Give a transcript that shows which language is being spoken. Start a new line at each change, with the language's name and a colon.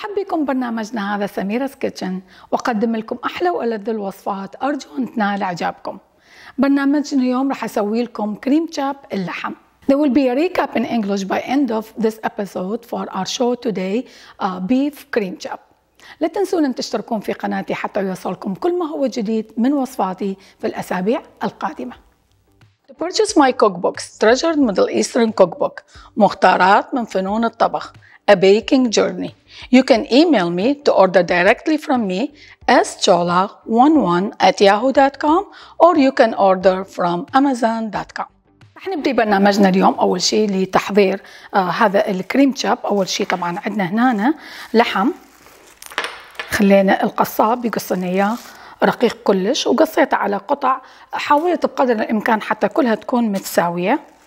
Arabic: لكم برنامجنا هذا سميرس كيتشن، وقدم لكم أحلى وألذ الوصفات، أرجو أن تنال إعجابكم. برنامجنا اليوم رح أسوي لكم كريم تشاب اللحم.
English: There will be a recap in English by end of this episode for our show today, beef cream chop.
Arabic: لا تنسون أن تشتركون في قناتي حتى يوصلكم كل ما هو جديد من وصفاتي في الأسابيع القادمة.
English: To purchase my cookbooks, Treasured Middle Eastern Cookbook, مختارات من فنون الطبخ, A Baking Journey, you can email me to order directly from me, schola11@yahoo.com, or you can order from amazon.com.
Arabic: رح نبدأ برنامجنا اليوم أول شيء لتحضير هذا الكريم تشاب. أول شيء طبعاً عندنا هنا لحم، خلينا القصاب يقصنا إياه رقيق كلش، وقصيته على قطع، حاولت بقدر الإمكان حتى كلها تكون متساوية.